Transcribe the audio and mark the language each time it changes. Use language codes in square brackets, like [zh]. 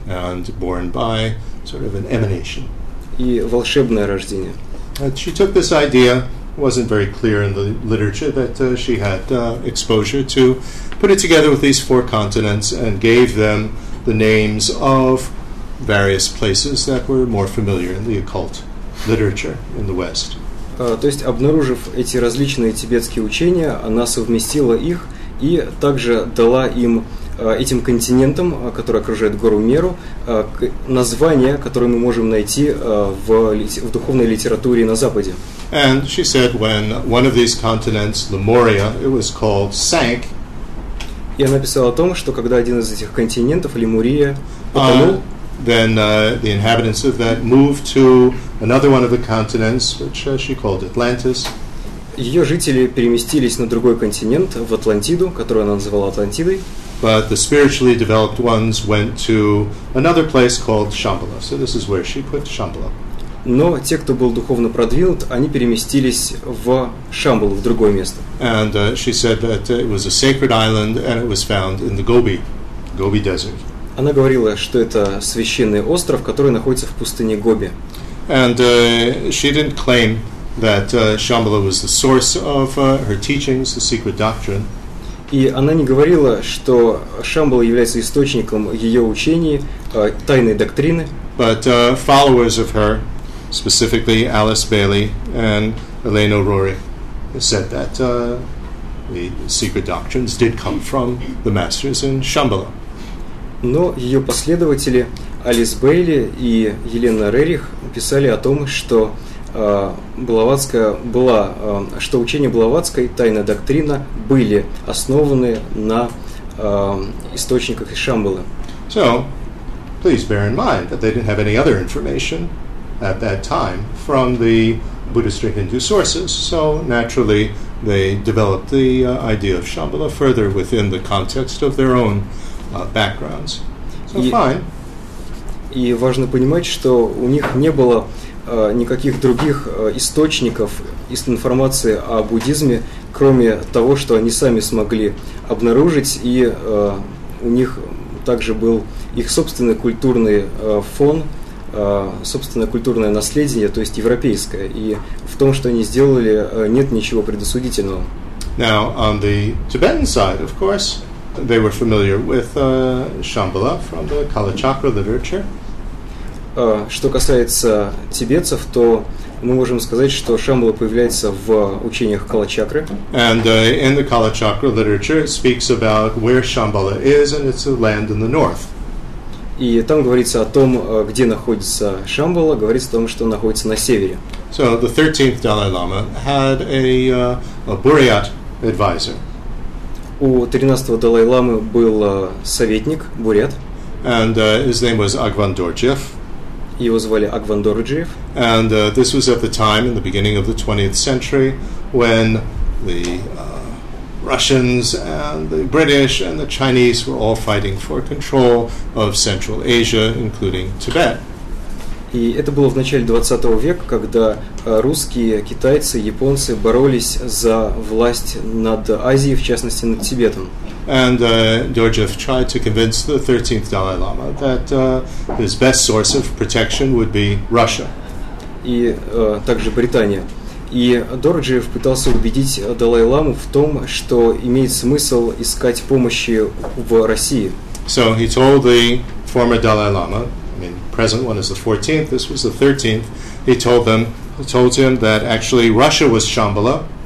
[en] and born by sort of an emanation, [ru] и волшебное рождение. [en] She took this idea, wasn't very clear in the literature that she had exposure to, put it together with these four continents and gave them the names of various places that were more familiar in the occult literature in the West. [ru] То есть, обнаружив эти различные тибетские учения, она совместила их и также дала им этим континентам, которые окружают гору Меру, названия, которые мы можем найти в духовной литературе на Западе. [en] And she said when one of these continents, Lemuria, it was called, sank. [ru] И она писала о том, что когда один из этих континентов, Лемурия, потонул, [en] then the inhabitants of that moved to another one of the continents, which she called Atlantis. [ru] Ее жители переместились на другой континент, в Атлантиду, которую она называла Атлантидой. [en] But the spiritually developed ones went to another place called Shambhala. So this is where she put Shambhala. [ru] Но те, кто был духовно продвинут, они переместились в Шамбалу, в другое место. [en] And she said that it was a sacred island, and it was found in the Gobi Desert. [ru] Она говорила, что это священный остров, который находится в пустыне Гоби. [en] And she didn't claim that Shambhala was the source of her teachings, the secret doctrine. [ru] И она не говорила, что Шамбала является источником ее учений, тайной доктрины. [en] But followers of her, specifically Alice Bailey and Elena Rory, said that the secret doctrines did come from the masters in Shambhala. [ru] Но ее последователи Алис Бейли и Елена Рерих писали о том, что Блаватская была, что учение Блаватской, тайная доктрина, были основаны на источниках из Шамбалы. [en] So, please bear in mind that they didn't have any other information at that time from the Buddhist or Hindu sources. So, naturally, they developed the idea of Shambhala further within the context of their own backgrounds. So, fine. [ru] И важно понимать, что у них не было никаких других источников из информации о буддизме, кроме того, что они сами смогли обнаружить, и у них также был их собственный культурный фон, собственное культурное наследие, то есть европейское, и в том, что они сделали, нет ничего предосудительного. [en] Now, on the Tibetan side, of course, they were familiar with Shambhala from the Kalachakra literature. [ru] Что касается тибетцев, то мы можем сказать, что Шамбала появляется в учениях Калачакры. [en] And in the Kalachakra literature, it speaks about where Shambhala is, and it's a land in the north. [ru] И там говорится о том, где находится Шамбала, говорится о том, что находится на севере. [en] So the 13th Dalai Lama had a Buryat advisor. [ru] У 13-го Далай Ламы был советник Бурят. [en] And his name was Агван Дорджиев. [ru] Его звали Агван Дорджиев. [en] And this was at the time, in the beginning of the 20th century, when the Russians and the British and the Chinese were all fighting for control of Central Asia, including Tibet. [ru] И это было в начале 20 века, когда русские, китайцы, японцы боролись за власть над Азией, в частности над Тибетом. [en] And Dorjev tried to convince the 13th Dalai Lama that his best source of protection would be Russia. [ru] И также Британия. И Дорджиев пытался убедить Далай-ламу в том, что имеет смысл искать помощи в России. [en] So he told the former Далай-лама, I mean, present one is the 14th, this was the 13th, he told him that actually Russia was Shambhala.